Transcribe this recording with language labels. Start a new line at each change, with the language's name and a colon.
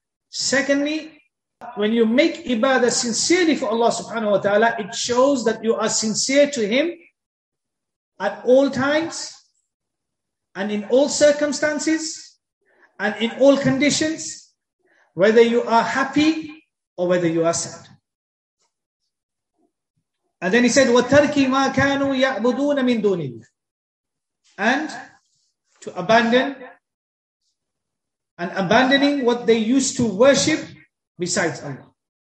English: Secondly, when you make ibadah sincerely for Allah subhanahu wa ta'ala, it shows that you are sincere to Him at all times and in all circumstances and in all conditions, whether you are happy or whether you are sad. And then he said,
Arabic: وَتَرْكِ مَا كَانُوا يَعْبُدُونَ مِن دُونِ اللَّهِ.
English: And to abandon. And abandoning what they used to worship besides Allah.